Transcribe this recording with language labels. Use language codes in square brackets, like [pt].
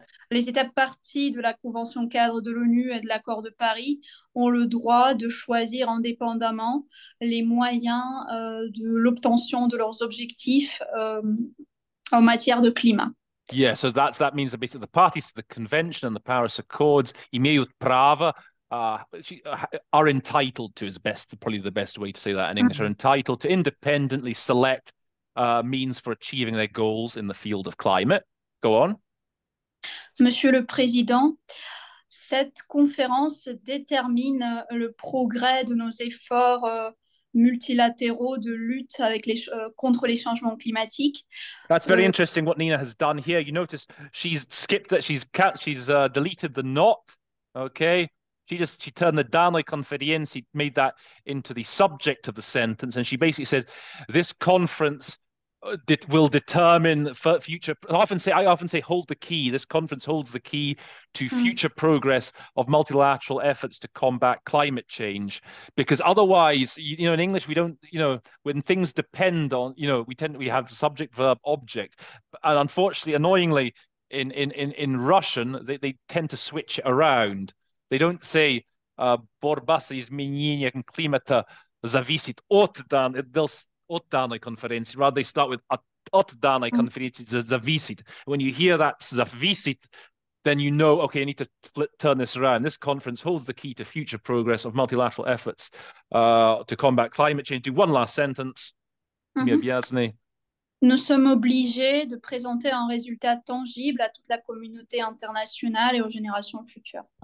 [fr] Les états partis de la convention cadre de l'ONU et de l'accord de Paris ont le droit de choisir indépendamment les moyens de l'obtention de leurs objectifs en matière de climat. [en] Yeah, so that means that basically the parties to the convention and the Paris Accords [ru] имеют право, [en] are entitled to, is best, probably the best way to say that in English, are entitled to independently select means for achieving their goals in the field of climate. Go on. [fr] Monsieur le Président, cette conférence détermine le progrès de nos efforts multilatéraux de lutte avec les contre les changements climatiques. [en] That's very interesting what Nina has done here. You notice she's skipped that, she's deleted the not, okay, She turned the [ru] danoi conferenzi, [en] made that into the subject of the sentence, and she basically said, "This conference will determine future." I often say, "Hold the key." This conference holds the key to future progress of multilateral efforts to combat climate change, because otherwise, you know, in English, we don't, you know, when things depend on, you know, we have subject, verb, object, and unfortunately, annoyingly, in Russian, they tend to switch it around. They don't say [ru] "borba с изменением климата зависит от дан." От данной конференции. [en] Rather, they start with [ru] "от данной конференции зависит." [en] When you hear that [ru] "зависит," [en] then you know, okay, I need to turn this around. This conference holds the key to future progress of multilateral efforts to combat climate change. Do one last sentence. Mm-hmm. [fr] Nous sommes obligés de présenter un résultat tangible à toute la communauté internationale et aux générations futures.